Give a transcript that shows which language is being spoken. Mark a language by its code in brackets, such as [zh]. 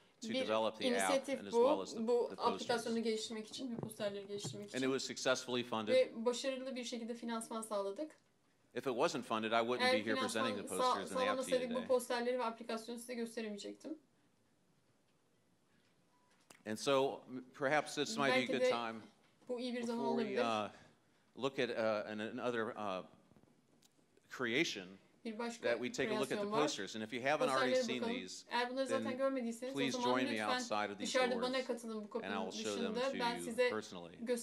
[tr] Bir inisiyatif bu, bu aplikasyonu geliştirmek için, bir posterleri geliştirmek için. [en] And it was successfully funded. [tr] Ve başarılı bir şekilde finansman sağladık. [en] If it wasn't funded, I wouldn't be here presenting the posters and the app today. [tr] Eğer sağlamasaydık bu posterleri ve aplikasyonu size gösteremeyecektim. [en] And so, perhaps this might be a good time before we look at another creation. That we take a look at the posters, and if you haven't already seen these, then please join me outside of these doors, and I will show them to you personally.